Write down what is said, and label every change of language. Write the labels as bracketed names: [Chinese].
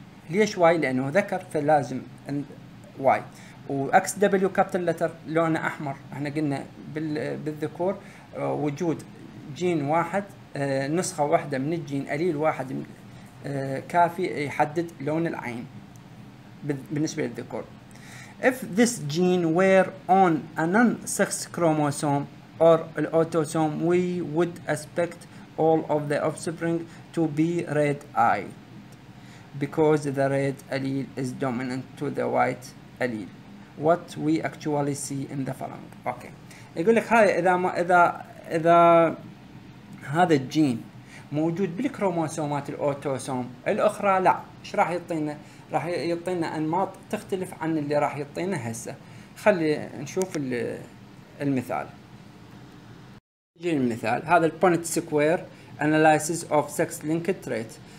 [Arabic] ليش واي؟ لانه ذكر فلازم واي. واكس دبليو كابيتال لتر لونه احمر، احنا قلنا بالذكور وجود جين واحد نسخة واحدة من الجين أليل واحد كافي يحدد لون العين بالنسبة للذكور. [English] If this gene were on a non-sex chromosome or an autosome, we would expect all of the offspring to be red-eyed because the red allele is dominant to the white allele. What we actually see in the following. Okay. [Arabic] يقول لك هاي إذا ما إذا إذا هذا الجين موجود بالكروموسومات الاوتوسوم الاخرى لا، ايش راح يعطينا؟ راح يعطينا انماط تختلف عن اللي راح يعطينا هسه. خلي نشوف المثال. جين المثال هذا البونت سكوير اناليسيس اوف سكس لينك تريت.